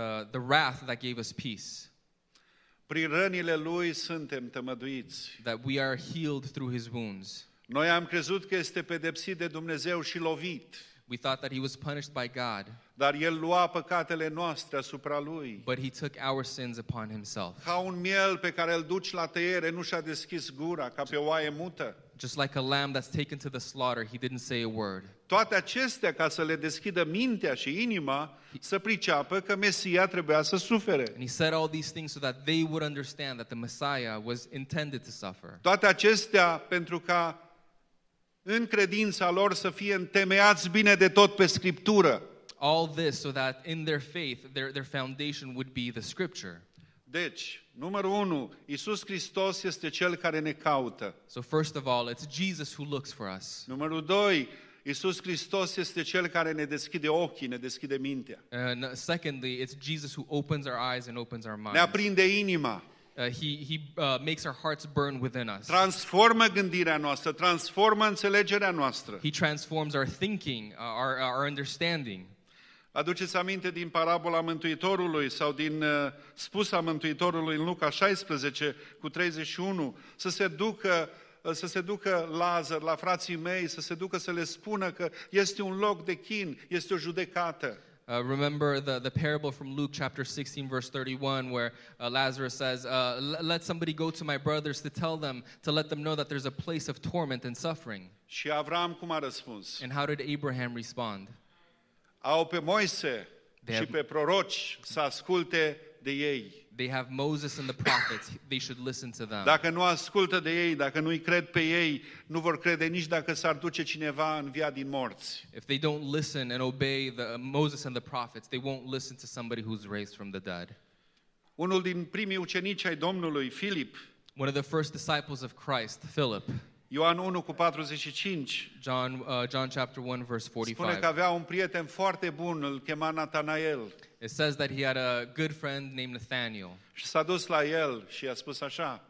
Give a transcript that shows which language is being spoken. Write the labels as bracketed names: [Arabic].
[English] the wrath that gave us peace. [Romanian] Prin rănile lui suntem tămăduiți. [English] That we are healed through his wounds. [Romanian] Noi am crezut că este pedepsit de Dumnezeu și lovit. [English] We thought that he was punished by God. [Romanian] Dar el lua păcatele noastre asupra lui. [English] But he took our sins upon himself. [Romanian] Ca un miel pe care îl duci la tăiere, nu și-a deschis gura, ca pe oaie mută. [English] Just like a lamb that's taken to the slaughter, he didn't say a word. [Romanian] Toate acestea ca să le deschidă mintea și inima, să priceapă că Mesia trebuia să sufere. [English] And he said all these things so that they would understand that the Messiah was intended to suffer. [Romanian] Toate acestea pentru ca în credința lor să fie întemeiați bine de tot pe Scriptură. [English] All this so that in their faith, their foundation would be the Scripture. [Romanian] Deci, numărul unu, Iisus Hristos este cel care ne caută. [English] So first of all, it's Jesus who looks for us. [Romanian] Numărul doi, Iisus Hristos este cel care ne deschide ochii, ne deschide mintea. [English] And secondly, it's Jesus who opens our eyes and opens our minds. [Romanian] Ne aprinde inima. [English] He makes our hearts burn within us. [Romanian] Transformă gândirea noastră, transformă înțelegerea noastră. [English] He transforms our thinking, our understanding. [Romanian] Aduceți aminte din parabola Mântuitorului sau din spusa Mântuitorului în Luca 16 cu 31, să se ducă Lazar la frații mei, să se ducă să le spună că este un loc de chin, este o judecată. [English] Remember the parable from Luke chapter 16 verse 31 where Lazarus says, let somebody go to my brothers to tell them, to let them know that there's a place of torment and suffering. [Romanian] Și Avram cum a răspuns? [English] And how did Abraham respond? [Romanian] Au pe Moise și pe proroci să asculte de ei. [English] They have Moses and the prophets. They should listen to them. [Romanian] Dacă nu ascultă de ei, dacă nu-i cred pe ei, nu vor crede nici dacă s-ar duce cineva în via din morți. [English] If they don't listen and obey the Moses and the prophets, they won't listen to somebody who's raised from the dead. [Romanian] Unul din primii ucenici ai Domnului, Filip. [English] One of the first disciples of Christ, Philip. [Romanian] Ioan 1 cu 45. [English] John chapter 1 verse 45. [Romanian] Spune că avea un prieten foarte bun, îl chema Nathanael. [English] It says that he had a good friend named Nathanael. [Romanian] Și s-a dus la el și i-a spus așa.